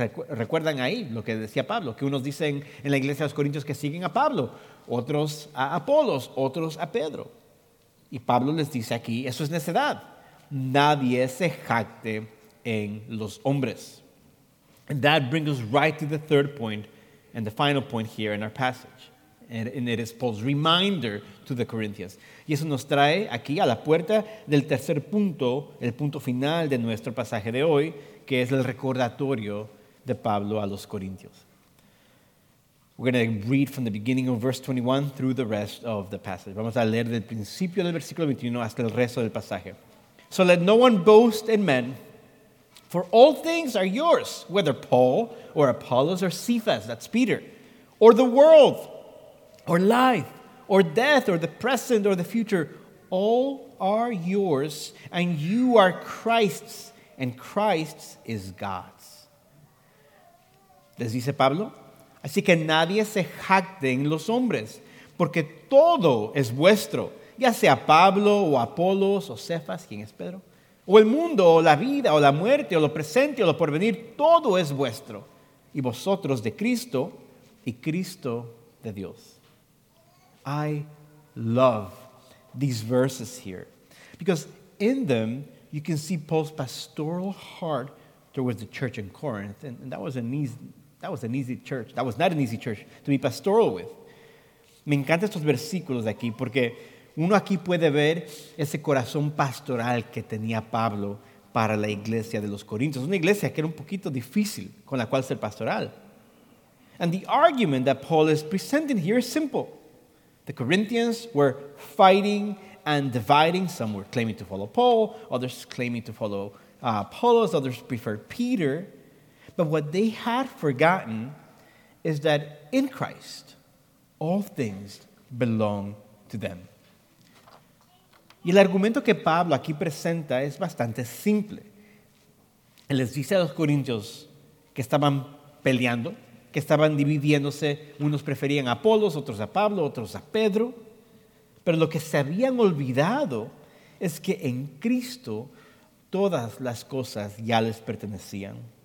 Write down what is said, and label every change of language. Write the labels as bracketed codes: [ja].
[es] ¿Recuerdan ahí lo que decía Pablo? Que unos dicen en la iglesia de los corintios que siguen a Pablo, otros a Apolos, otros a Pedro. Y Pablo les dice aquí, eso es necedad. Nadie se jacte en los hombres. [en] And that brings us right to the third point and the final point here in our passage. And it is Paul's reminder to the Corinthians. [es] Y eso nos trae aquí a la puerta del tercer punto, el punto final de nuestro pasaje de hoy, que es el recordatorio de Pablo a los corintios. [en] We're going to read from the beginning of verse 21 through the rest of the passage. [es] Vamos a leer del principio del versículo 21 hasta el resto del pasaje. [en] So let no one boast in men, for all things are yours, whether Paul or Apollos or Cephas, that's Peter, or the world, or life, or death, or the present, or the future, all are yours, and you are Christ's, and Christ's is God's. [es] Les dice Pablo, así que nadie se jacte en los hombres, porque todo es vuestro, ya sea Pablo, o Apolos, o Cephas, ¿quién es Pedro? O el mundo, o la vida, o la muerte, o lo presente, o lo porvenir, todo es vuestro, y vosotros de Cristo, y Cristo de Dios. [en] I love these verses here, because in them, you can see Paul's pastoral heart towards the church in Corinth, and that was not an easy church to be pastoral with. [es] Me encantan estos versículos de aquí, porque uno aquí puede ver ese corazón pastoral que tenía Pablo para la iglesia de los Corintios. Una iglesia que era un poquito difícil con la cual ser pastoral. [en] And the argument that Paul is presenting here is simple. The Corinthians were fighting and dividing. Some were claiming to follow Paul, others claiming to follow Apollos, others preferred Peter. But what they had forgotten is that in Christ, all things belong to them. [es] Y el argumento que Pablo aquí presenta es bastante simple. Él les dice a los corintios que estaban peleando, que estaban dividiéndose, unos preferían a Apolos, otros a Pablo, otros a Pedro. Pero lo que se habían olvidado es que en Cristo todas las cosas ya les pertenecían.